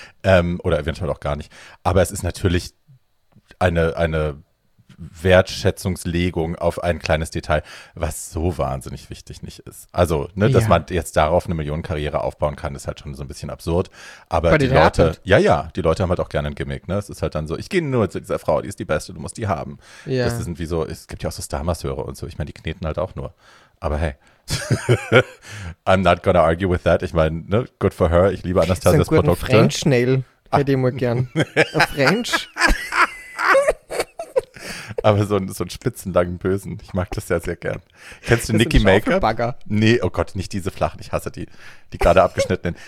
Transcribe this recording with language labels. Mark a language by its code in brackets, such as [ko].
[de] Oder eventuell auch gar nicht. Aber es ist natürlich eine Wertschätzungslegung auf ein kleines Detail, was so wahnsinnig wichtig nicht ist. Also, ne, dass man jetzt darauf eine Millionenkarriere aufbauen kann, ist halt schon so ein bisschen absurd. Aber die Leute, die Leute haben halt auch gerne ein Gimmick. Ne? Es ist halt dann so, ich gehe nur zu dieser Frau, die ist die Beste, du musst die haben. Ja. Das sind wie so, es gibt ja auch so Star-Masseure und so. Ich meine, die kneten halt auch nur. Aber hey, [en] I'm not gonna argue with that. [de] Ich meine, ne, [en] good for her. [de] Ich liebe Anastasias Produkte. Ein French Nail hätte ich mal gern. French. Aber so einen spitzenlangen Bösen. Ich mag das sehr, sehr gern. Kennst du das Nicki Make-Up? Nee, oh Gott, nicht diese flachen. Ich hasse die gerade abgeschnittenen.